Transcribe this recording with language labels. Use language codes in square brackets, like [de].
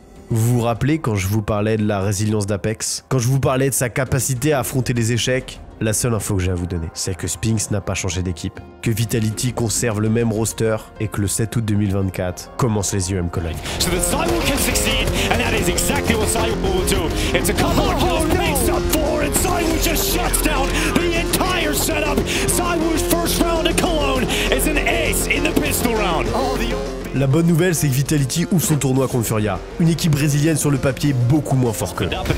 [fr] Vous vous rappelez quand je vous parlais de la résilience d'Apex? Quand je vous parlais de sa capacité à affronter les échecs? La seule info que j'ai à vous donner, c'est que Spinks n'a pas changé d'équipe, que Vitality conserve le même roster et que le 7 août 2024 commence les UM Cologne. [en] So the Cyborg can succeed, and that is exactly what Cyborg will do. It's a couple of kills, makes up four, and Cyborg just shuts down the entire setup. Cyborg's first round at Cologne is an ace in the pistol round. [fr] La bonne nouvelle, c'est que Vitality ouvre son tournoi contre Furia, une équipe brésilienne sur le papier beaucoup moins forte qu'eux.